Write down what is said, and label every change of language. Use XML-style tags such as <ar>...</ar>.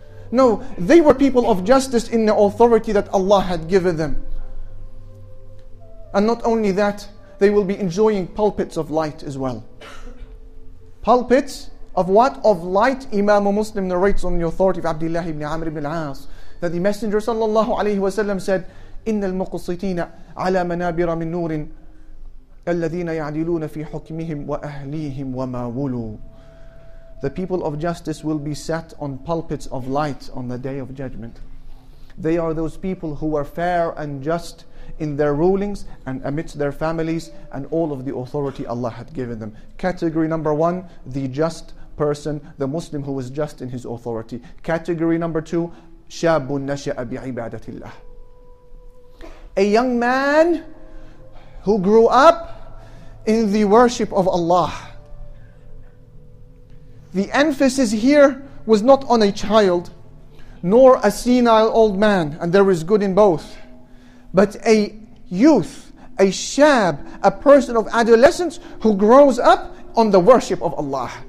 <en>No, they were people of justice in the authority that Allah had given them. And not only that, they will be enjoying pulpits of light as well. Pulpits of what? Of light. Imam Muslim narrates on the authority of Abdullah ibn Amr ibn al-As that the Messenger sallallahu alayhi wa sallam said,</en> <ar>إِنَّ الْمُقْصِتِينَ عَلَى مَنَابِرَ مِن نُورٍ الَّذِينَ يَعْدِلُونَ فِي حُكْمِهِمْ وَأَهْلِيهِمْ وَمَا وُلُوا.</ar> <en>The people of justice will be sat on pulpits of light on the day of judgment. They are those people who are fair and just in their rulings and amidst their families and all of the authority Allah had given them. Category number one, the just person, the Muslim who is just in his authority. Category number two,</en> <ar>شَابٌ نَشَأَ بِعِبَادَةِ اللَّهِ.</ar> <en>A young man who grew up in the worship of Allah. The emphasis here was not on a child, nor a senile old man, and there is good in both, but a youth, a shab, a person of adolescence who grows up on the worship of Allah.</en>